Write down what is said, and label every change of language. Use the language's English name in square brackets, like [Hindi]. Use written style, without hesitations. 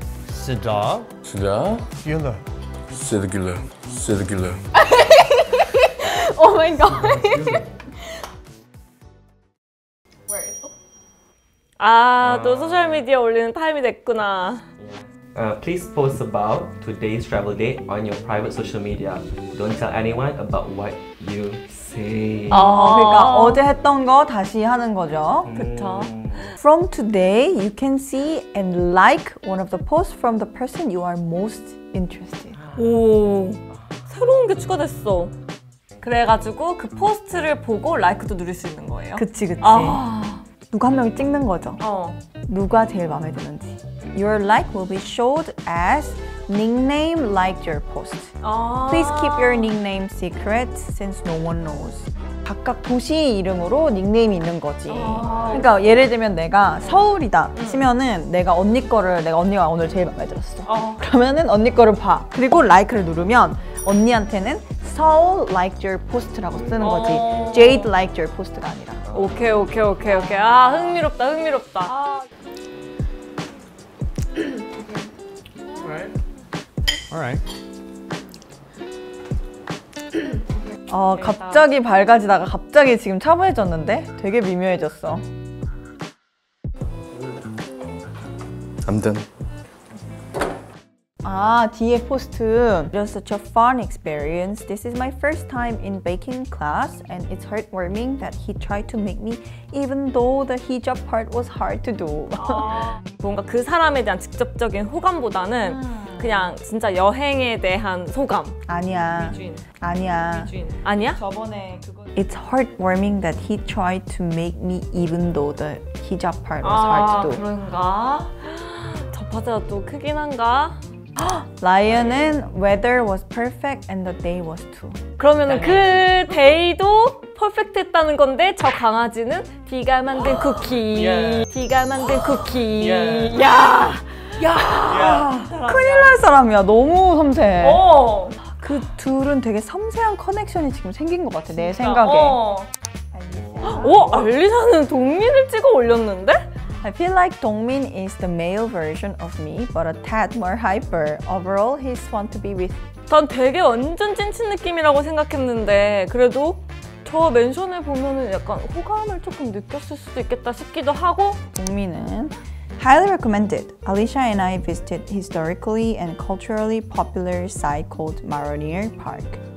[English] 스다? 스다? 길러. 스드길러. 스드길러. Oh my god. Where is it? [Korean] 아, 또 소셜 미디어 올리는 타임이 됐구나. [English] Please post about today's travel date on your private social media. Don't tell anyone about what you say. [Korean] 아, 그러니까 어제 했던 거 다시 하는 거죠. 그렇죠. [English] From today, you can see and like one of the posts from the person you are most interested. [Korean] 오. 새로운 게 추가됐어. 그래가지고 그 포스트를 보고 라이크도 누릴 수 있는 거예요? 그치 그치 아. 누가 한 명이 찍는 거죠? 어 누가 제일 마음에 드는지 [English] Your like will be showed as nickname liked your post 아. Please keep your nickname secret since no one knows [Korean] 각각 도시 이름으로 닉네임이 있는 거지 아. 그러니까 예를 들면 내가 서울이다 치면은 내가 언니 거를 내가 언니가 오늘 제일 마음에 들었어 어. 그러면은 언니 거를 봐 그리고 라이크를 누르면 언니한테는 [English] Seoul liked your post [Korean] 라고 쓰는 거지 [English] Jade liked your post [Korean] 가 아니라 오케이 오케이 오케이 오케이 아 흥미롭다 흥미롭다 아. [English] Alright [Korean] 어, 갑자기 밝아지다가 갑자기 지금 차분해졌는데 되게 미묘해졌어 [English] I'm done [Korean] 아, 뒤에 포스트. [English] Just such a fun experience. This is my first time in baking class and it's heartwarming that he tried to make me even though the hijab part was hard to do. [Korean] 아, 뭔가 그 사람에 대한 직접적인 호감보다는 그냥 진짜 여행에 대한 소감. 아니야. 위주인. 아니야. 위주인. 아니야? 저번에 그거 [English] It's heartwarming that he tried to make me even though the hijab part was 아, hard to do. [Korean] 그런가? 접하자 또 크긴 한가? [English] 라이언은 weather was perfect and the day was too. [Korean] 그러면 그 데이도 퍼펙트했다는 건데 저 강아지는 디가 만든 쿠키. 디가 만든 쿠키. 야, 야, 큰일 날 사람이야. 너무 섬세. 어. 그 둘은 되게 섬세한 커넥션이 지금 생긴 것 같아 진짜? 내 생각에. 어. 오, 알리샤는 동민을 찍어 올렸는데? [English] I feel like Dongmin is the male version of me, but a tad more hyper. Overall, he's fun to be with. [Korean] 난 되게 완전 찐친 느낌이라고 생각했는데 그래도 저 멘션을 보면은 약간 호감을 조금 느꼈을 수도 있겠다 싶기도 하고 [English] 동민은 Highly recommended. Alicia and I visited historically and culturally popular site called Maronier Park.